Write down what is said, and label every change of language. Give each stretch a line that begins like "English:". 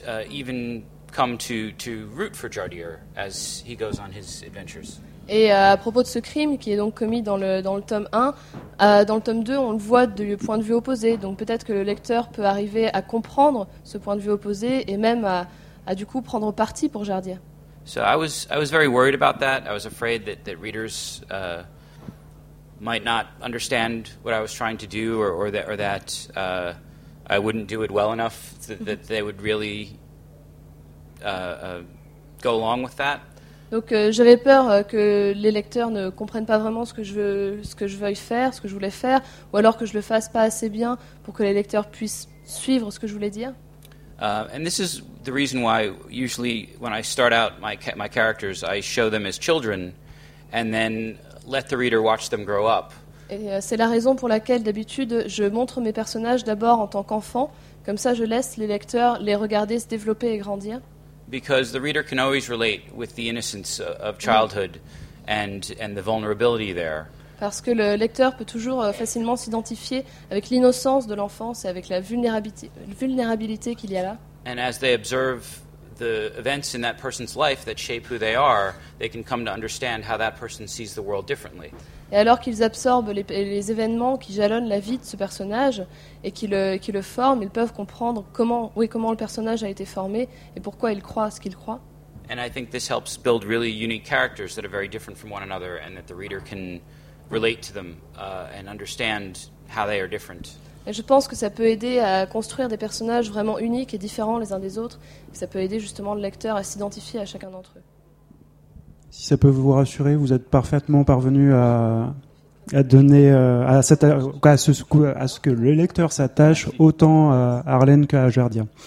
English: Even... come to root for Jardir as he goes on his adventures.
French: Et à propos de ce crime qui est donc commis dans le tome 1, dans le tome 2, on le voit du point de vue opposé. Donc peut-être que le lecteur peut arriver à comprendre ce point de vue opposé et même à du coup prendre parti pour Jardir.
English: So I was very worried about that. I was afraid that readers might not understand what I was trying to do or that I wouldn't do it well enough that they would really go along with that.
French: Donc j'avais peur que les lecteurs ne comprennent pas vraiment ce que je voulais faire, ou alors que je le fasse pas assez bien pour que les lecteurs puissent suivre ce que je voulais dire.
English: And this is the reason why usually when I start out my characters, I show them as children, and then let the reader watch them grow up.
French: Et c'est la raison pour laquelle d'habitude je montre mes personnages d'abord en tant qu'enfants, comme ça je laisse les lecteurs les regarder se développer et grandir.
English: Because the reader can always relate with the innocence of childhood and the vulnerability there.
French: Parce que le lecteur peut toujours facilement s'identifier avec l'innocence de l'enfance et avec la vulnérabilité qu'il y a là.
English: And as they observe the events in that person's life that shape who they are, they can come to understand how that person sees the world differently.
French: Et alors qu'ils absorbent les événements qui jalonnent la vie de ce personnage et qui le forment, ils peuvent comprendre comment le personnage a été formé et pourquoi il croit ce qu'il croit.
English: And I think this helps build really unique characters that are very different from one another and that the reader can relate to them and understand how they are different.
French: Et je pense que ça peut aider à construire des personnages vraiment uniques et différents les uns des autres. Ça peut aider justement le lecteur à s'identifier à chacun d'entre eux. Si ça peut vous rassurer, vous êtes parfaitement parvenu à ce que le lecteur s'attache autant à Arlen qu'à Jardir.